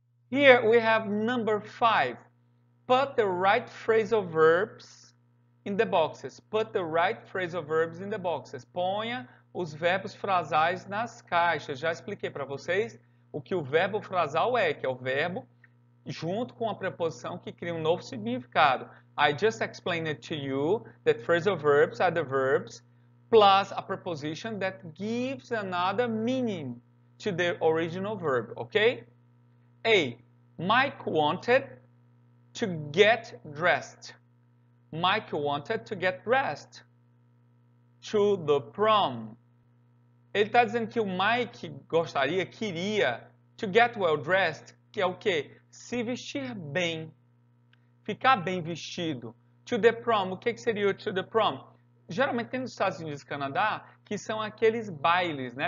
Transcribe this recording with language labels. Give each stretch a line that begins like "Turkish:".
English: Here we have number 5. Put the right phrasal verbs in the boxes. Put the right phrasal verbs in the boxes.
Portuguese: Ponha os verbos frasais nas caixas. Já expliquei para vocês o que o verbo frasal é, que é o verbo junto com a preposição que cria um novo significado.
English: I just explained to you that phrasal verbs are the verbs plus a preposition that gives another meaning to the original verb, ok? A. Mike wanted to get dressed. Mike wanted to get dressed to the prom.
Portuguese: Ele está dizendo que o Mike gostaria, queria,
English: to get well dressed,
Portuguese: que é o quê? Se vestir bem, ficar bem vestido.
English: To the prom,
Portuguese: o que seria o
English: to the prom?
Portuguese: Geralmente tem nos Estados Unidos e Canadá, que são aqueles bailes, né?